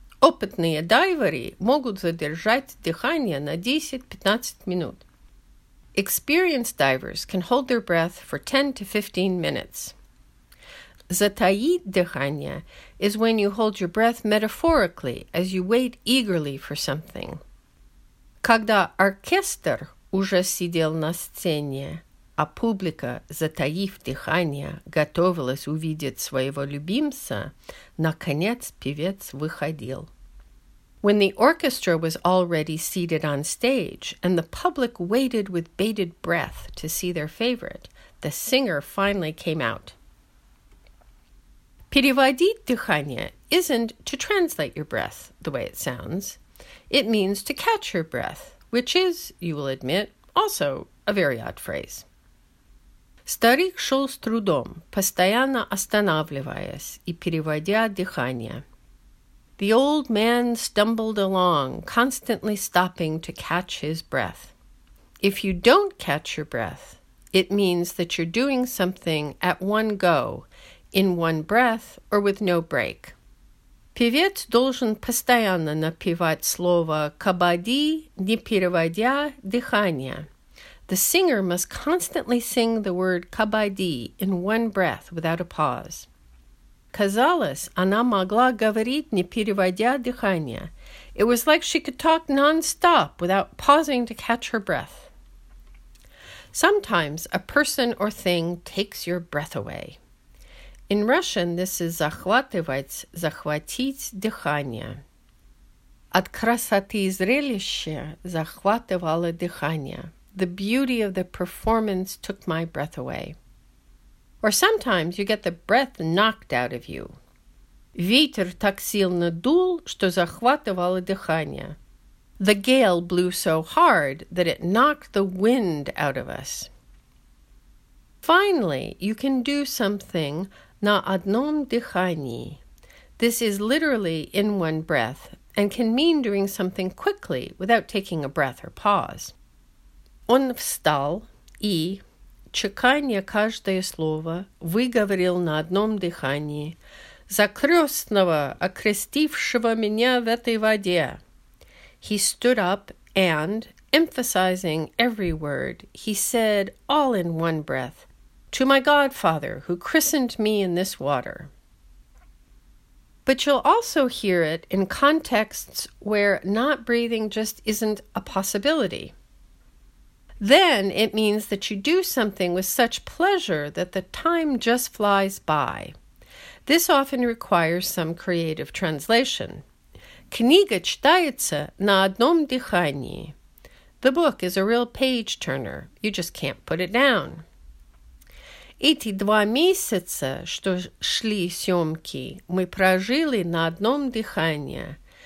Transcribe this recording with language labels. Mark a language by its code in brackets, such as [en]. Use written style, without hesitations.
[ru] Опытные дайверы могут задержать дыхание на 10-15 минут. [en] Experienced divers can hold their breath for 10 to 15 minutes. [ru] Затаить дыхание [en] is when you hold your breath metaphorically as you wait eagerly for something. [ru] Когда оркестр уже сидел на сцене, а публика, затаив дыхание, готовилась увидеть своего любимца, наконец певец выходил. [en] When the orchestra was already seated on stage and the public waited with bated breath to see their favorite, the singer finally came out. [ru] Переводить дыхание [en] isn't to translate your breath the way it sounds. It means to catch your breath, which is, you will admit, also a very odd phrase. [ru] Старик шел с трудом, постоянно останавливаясь и переводя дыхание. [en] The old man stumbled along, constantly stopping to catch his breath. If you don't catch your breath, it means that you're doing something at one go, in one breath, or with no break. [ru] Певец должен постоянно напевать слово «кабади», не переводя дыхание. [en] The singer must constantly sing the word «кабади» in one breath, without a pause. [ru] Казалось, она могла говорить, не переводя дыхания. [en] It was like she could talk non-stop without pausing to catch her breath. Sometimes a person or thing takes your breath away. In Russian, this is [ru] захватывать, захватить дыхание. От красоты зрелища захватывало дыхание. [en] The beauty of the performance took my breath away. Or sometimes you get the breath knocked out of you. [ru] Ветер так сильно дул, что захватывало дыхание. [en] The gale blew so hard that it knocked the wind out of us. Finally, you can do something [ru] на одном дыхании. [en] This is literally in one breath and can mean doing something quickly without taking a breath or pause. [ru] Он встал и... Чеканя каждое слово, выговорил на одном дыхании. За крестного, окрестившего меня в этой воде. [en] He stood up and, emphasizing every word, he said all in one breath, to my godfather who christened me in this water. But you'll also hear it in contexts where not breathing just isn't a possibility. Then it means that you do something with such pleasure that the time just flies by. This often requires some creative translation. [ru] Книга читается на одном дыхании. [en] The book is a real page-turner. You just can't put it down. [ru] Эти два месяца, что шли съемки, мы прожили на одном дыхании.